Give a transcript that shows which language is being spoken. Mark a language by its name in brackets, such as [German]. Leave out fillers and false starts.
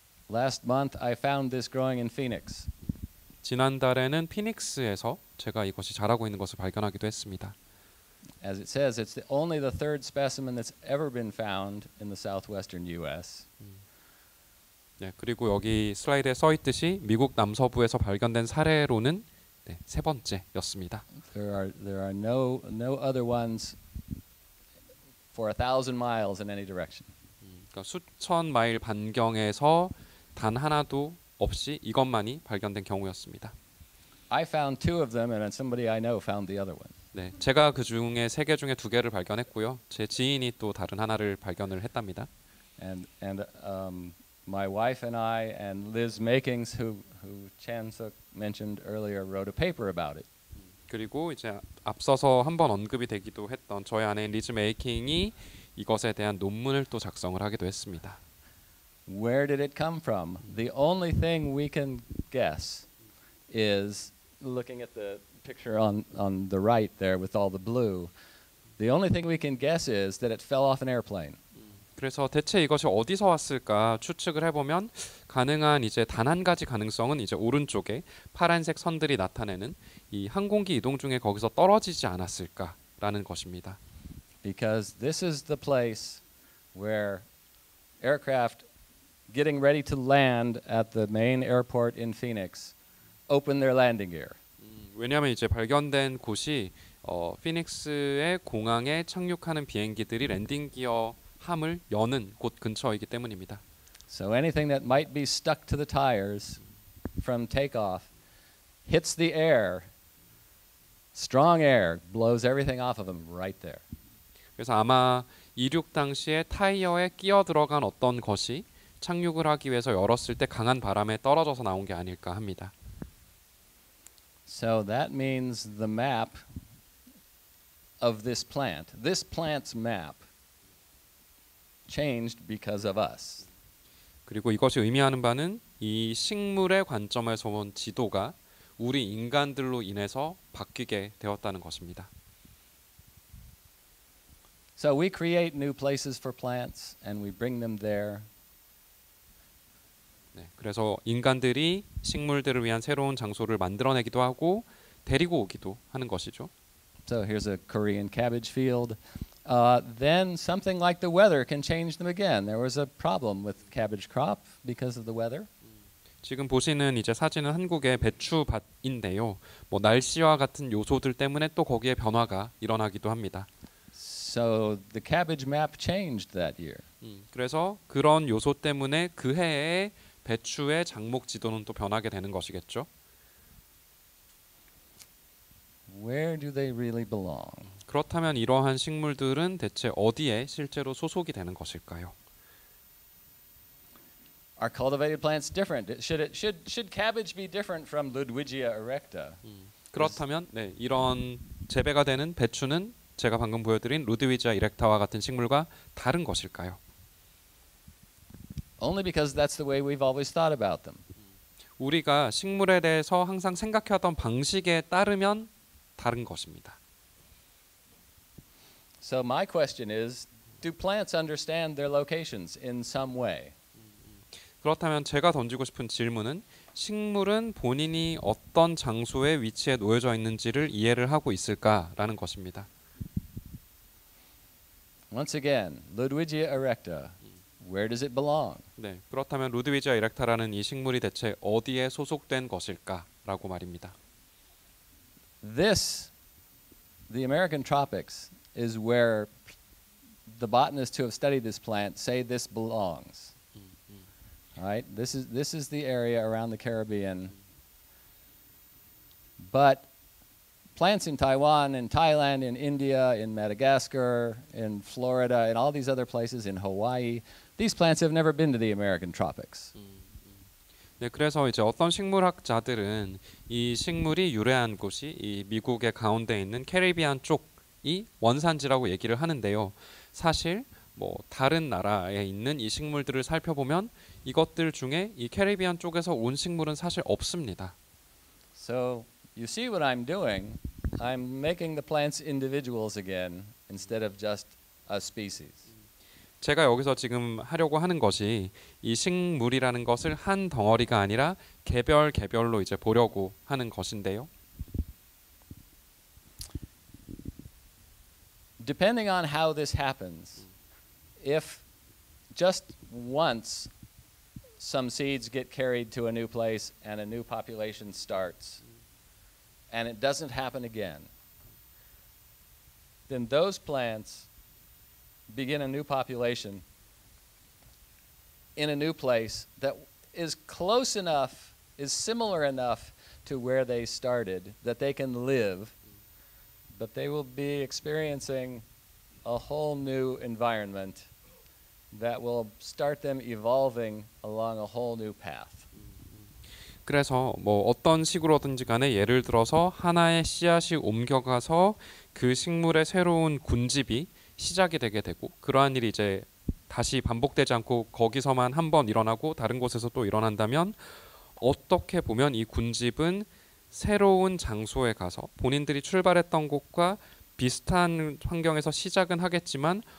[English] Last month I found this growing in Phoenix. [Korean] 지난달에는 피닉스에서 제가 이것이 자라고 있는 것을 발견하기도 했습니다. [English] As it says, it's only the third specimen that's ever been found in the southwestern US. [Korean] 네, 그리고 여기 슬라이드에 써 있듯이 미국 남서부에서 발견된 사례로는 네, 세 번째였습니다. [English] There are no other ones for a thousand miles in any direction. [Korean] 그러니까 수천 마일 반경에서 단 하나도 없이 이것만이 발견된 경우였습니다. [English] I found two of them and somebody I know found the other one. [Korean] 네, 제가 그 중에 세 개 중에 두 개를 발견했고요. 제 지인이 또 다른 하나를 발견을 했답니다. [English] And my wife and I and Liz Makings who Chan-suk mentioned earlier wrote a paper about it. [Korean] 그리고 이제 앞서서 한번 언급이 되기도 했던 저희 아내 리즈 메이킹이 이것에 대한 논문을 또 작성을 하기도 했습니다. [English] Where did it come from? The only thing we can guess is looking at the picture on the right there with all the blue. The only thing we can guess is that it fell off an airplane. [Korean] 그래서 대체 이것이 어디서 왔을까 추측을 해보면 가능한 이제 단 한 가지 가능성은 이제 오른쪽에 파란색 선들이 나타내는 이 항공기 이동 중에 거기서 떨어지지 않았을까라는 것입니다. [English] Because this is the place where aircraft getting ready to land at the main airport in Phoenix open their landing gear. [Korean] 왜냐하면 이제 발견된 곳이 피닉스의 공항에 착륙하는 비행기들이 랜딩 기어 함을 여는 곳 근처이기 때문입니다. [English] So anything that might be stuck to the tires from takeoff hits the air. Strong air blows everything off of them right there. [Korean] 그래서 아마 이륙 당시에 타이어에 끼어 들어간 어떤 것이 착륙을 하기 위해서 열었을 때 강한 바람에 떨어져서 나온 게 아닐까 합니다. [English] So that means the map of this plant, this plant's map changed because of us. [Korean] 그리고 이것이 의미하는 바는 이 식물의 관점에서 본 지도가 우리 인간들로 인해서 바뀌게 되었다는 것입니다. [English] So we create new places for plants and we bring them there. [Korean] 네, 그래서 인간들이 식물들을 위한 새로운 장소를 만들어내기도 하고 데리고 오기도 하는 것이죠. [English] So here's a Korean cabbage field. Then something like the weather can change them again. There was a problem with cabbage crop because of the weather. [Korean] 지금 보시는 이제 사진은 한국의 배추밭인데요. 뭐 날씨와 같은 요소들 때문에 또 거기에 변화가 일어나기도 합니다. [English] So the cabbage map changed that year. [Korean] 그래서 그런 요소 때문에 그 해에 배추의 작목 지도는 또 변하게 되는 것이겠죠. [English] Where do they really belong? [Korean] 그렇다면 이러한 식물들은 대체 어디에 실제로 소속이 되는 것일까요? [English] Are cultivated plants different? Should cabbage be different from Ludwigia erecta? [Korean] 그렇다면 네, 이런 재배가 되는 배추는 제가 방금 보여드린 루드위지아 이렉타와 같은 식물과 다른 것일까요? [English] Only because that's the way we've always thought about them. [Korean] 우리가 식물에 대해서 항상 생각해왔던 방식에 따르면 다른 것입니다. [English] So my question is, do plants understand their locations in some way? [Korean] 그렇다면 제가 던지고 싶은 질문은 식물은 본인이 어떤 장소에 위치해 놓여져 있는지를 이해를 하고 있을까라는 것입니다. [English] Once again, Ludwigia erecta. Where does it belong? [Korean] 네, 그렇다면 루드위지아 이렉타라는 이 식물이 대체 어디에 소속된 것일까라고 말입니다. [English] This, the American tropics, is where the botanists who have studied this plant say this belongs. Right? This is the area around the Caribbean. But plants in Taiwan, in Thailand, in India, in Madagascar, in Florida, in all these other places, in Hawaii. These plants have never been to the American tropics. [Korean] 네, 그래서 이제 어떤 식물학자들은 이 식물이 유래한 곳이 이 미국의 가운데 있는 캐리비안 쪽이 원산지라고 얘기를 하는데요. 사실 뭐 다른 나라에 있는 이 식물들을 살펴보면 이것들 중에 이 캐리비안 쪽에서 온 식물은 사실 없습니다. [English] So you see what I'm doing. I'm making the plants individuals again instead of just a species. [Korean] 제가 여기서 지금 하려고 하는 것이 이 식물이라는 것을 한 덩어리가 아니라 개별 개별로 이제 보려고 하는 것인데요. [English] Depending on how this happens, if just once some seeds get carried to a new place and a new population starts and it doesn't happen again, then those plants begin a new population in a new place that is close enough, is similar enough to where they started that they can live, but they will be experiencing a whole new environment that will start them evolving along a whole new path. [Korean] 그래서 뭐 어떤 식으로든지 간에 예를 들어서 하나의 씨앗이 옮겨가서 그 식물의 새로운 군집이 시작이 되게 되고 그러한 일이 이제 다시 반복되지 않고 거기서만 한 번 일어나고 다른 곳에서 또 일어난다면 어떻게 보면 이 군집은 새로운 장소에 가서 본인들이 출발했던 곳과 비슷한 환경에서 시작은 하겠지만